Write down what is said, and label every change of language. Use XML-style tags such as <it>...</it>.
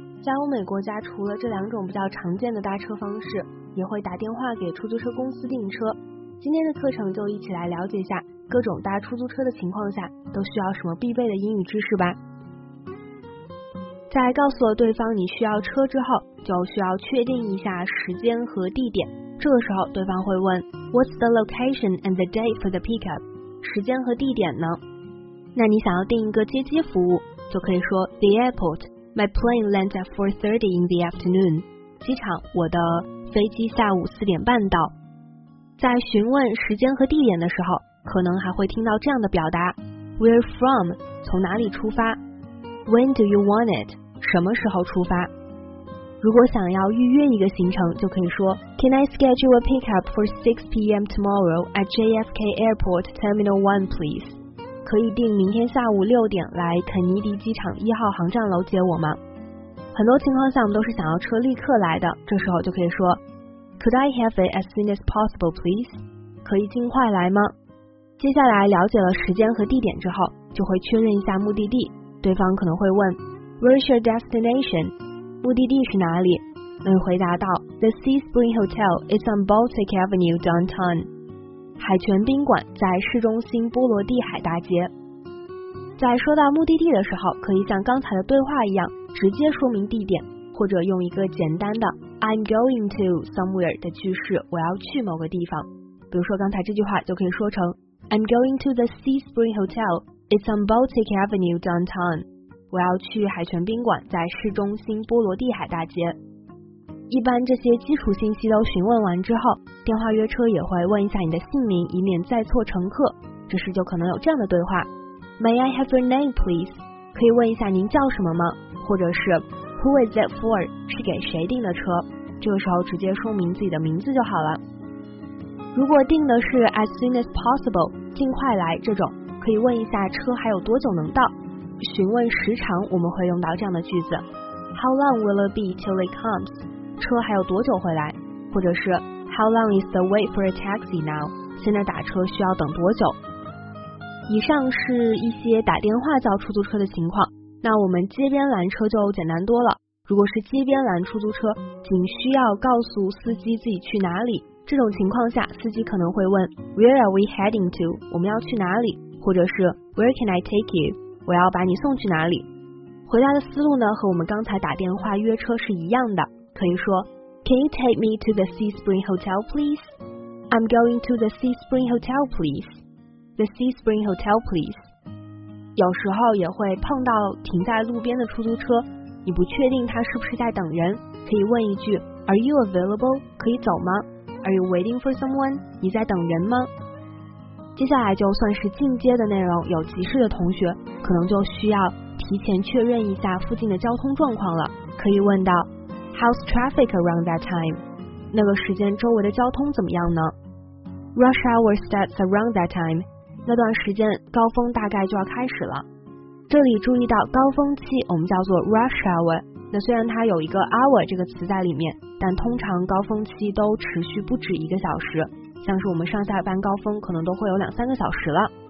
<zh>在欧美国家，除了这两种比较常见的搭车方式，也会打电话给出租车公司订车。今天的课程就一起来了解一下，各种搭出租车的情况下都需要什么必备的英语知识吧。在告诉了对方你需要车之后，就需要确定一下时间和地点。这个时候对方会问</zh> <en>What's the location and the date for the pickup? 时间和地点呢？</en> <zh>那你想要订一个接机服务，就可以说</zh> <en>The airport, my plane lands at 4:30 in the afternoon. 机场，我的飞机下午4:30到。</en> <zh>在询问时间和地点的时候，可能还会听到这样的表达</zh> <en>Where from?</en> <zh>从哪里出发？</zh> <en>When do you want it?</en> <zh>什么时候出发？如果想要预约一个行程，就可以说</zh> <en>Can I schedule a pickup for 6 PM tomorrow at JFK Airport Terminal 1 please?</en> <zh>可以订明天下午6点来肯尼迪机场1号航站楼接我吗？很多情况下我们都是想要车立刻来的，这时候就可以说</zh> <en>Could I have it as soon as possible please?</en> <zh>可以尽快来吗？接下来了解了时间和地点之后，就会确认一下目的地。对方可能会问</zh> <en>Where's your destination? 目的地是哪里？</en> <zh>你回答到</zh> <en>The Sea Spring Hotel is on Baltic Avenue downtown.</en> <zh>海泉宾馆在市中心波罗的海大街。在说到目的地的时候，可以像刚才的对话一样直接说明地点，或者用一个简单的</zh> <en>I'm going to somewhere</en> <zh>的句式，我要去某个地方。比如说刚才这句话就可以说成</zh> <en>I'm going to the Sea Spring Hotel. It's on Baltic Avenue downtown.</en> <zh>我要去海泉宾馆，在市中心波罗的海大街。一般这些基础信息都询问完之后，电话约车也会问一下你的姓名，以免载错乘客。这时就可能有这样的对话</zh> <en>May I have your name please? 可以问一下您叫什么吗？</en> <zh>或者是</zh> <en>Who is it for?</en> <zh>是给谁订的车？这个时候直接说明自己的名字就好了。如果订的是</zh> <en>As soon as possible,</en> <zh>尽快来这种，可以问一下车还有多久能到。询问时长我们会用到这样的句子</zh> <en>How long will it be till it comes?</en> <zh>车还有多久回来？或者是</zh> <en>How long is the wait for a taxi now?</en> <zh>现在打车需要等多久？以上是一些打电话叫出租车的情况，那我们街边拦车就简单多了。如果是街边拦出租车，仅需要告诉司机自己去哪里，这种情况下司机可能会问</zh> <en>Where are we heading to?</en> <zh>我们要去哪里？或者是</zh> <en>Where can I take you?</en> <zh>我要把你送去哪里？回答的思路呢，和我们刚才打电话约车是一样的，可以说</zh> <en>Can you take me to the Sea Spring Hotel please? I'm going to the Sea Spring Hotel please. The Sea Spring Hotel please.</en> <zh>有时候也会碰到停在路边的出租车，你不确定它是不是在等人，可以问一句</zh> <en>Are you available?</en> <zh>可以走吗？</zh> <en>Are you waiting for someone?</en> <zh>你在等人吗？接下来就算是进阶的内容，有急事的同学可能就需要提前确认一下附近的交通状况了，可以问到</zh> <en>How's traffic around that time?</en> <zh>那个时间周围的交通怎么样呢？</zh> <en>Rush hour starts around that time?</en> <zh>那段时间高峰大概就要开始了。这里注意到高峰期我们叫做 rush hour， 那虽然它有一个 hour 这个词在里面，但通常高峰期都持续不止一个小时，像是我们上下班高峰可能都会有2-3个小时了。</zh>